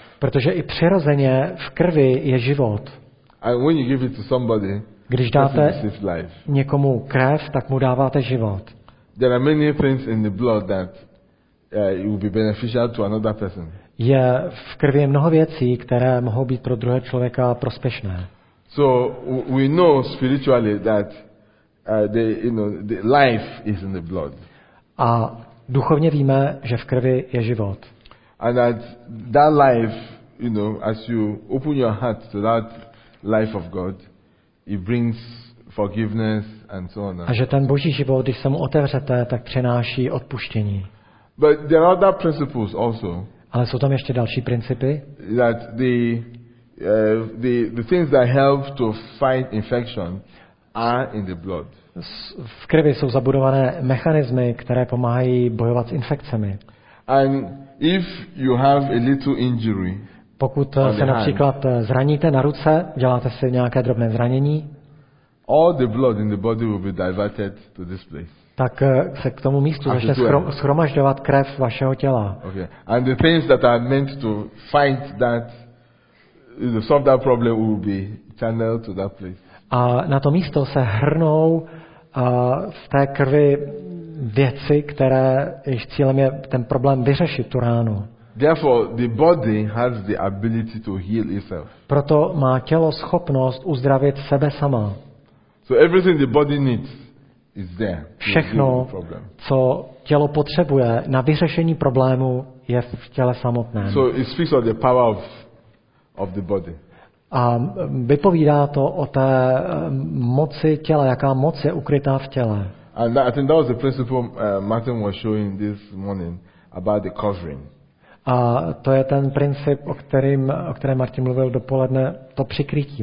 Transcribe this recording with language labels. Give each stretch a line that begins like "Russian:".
Czech: Protože i přirozeně v krvi je život.
English: And when you give it to somebody,
Czech: když dáte někomu krev, tak mu dáváte život.
English: There are many things in the blood that it will be beneficial to another person.
Czech: Je v krvi mnoho věcí, které mohou být pro druhého člověka prospěšné.
English: So we know spiritually that the life is in the blood.
Czech: A duchovně víme, že v krvi je život.
English: And that life, you know, as you open your heart to that life of God, it brings forgiveness and so on.
Czech: A že ten boží život, když se mu otevřete, tak přináší odpuštění.
English: But there are other principles also.
Czech: Ale jsou tam ještě další principy?
English: That the things that help to fight infection are in the blood.
Czech: V krvi jsou zabudované mechanismy, které pomáhají bojovat s infekcemi.
English: And if you have a little injury,
Czech: pokud se například zraníte na ruce, děláte si nějaké drobné zranění,
English: all the blood in the body will be diverted to this place.
Czech: Tak se k tomu místu začne schromažďovat krev vašeho těla.
English: Okay. And the things that are meant to fight that to solve that problem will be channeled to that place.
Czech: A na to místo se hrnou v té krvi věci, které jejich cílem je ten problém vyřešit, tu ránu.
English: Therefore, the body has the ability to heal itself.
Czech: Proto má tělo schopnost uzdravit sebe sama.
English: So everything the body needs is there.
Czech: Všechno, co tělo potřebuje na vyřešení problému, je v těle samotném.
English: So it speaks of the power of the body.
Czech: A vypovídá to o té moci těla, jaká moc je ukrytá v těle.
English: And I think that was the principle Martin was showing this morning about the covering.
Czech: A to je ten princip, o kterém Martin mluvil dopoledne, to přikrytí.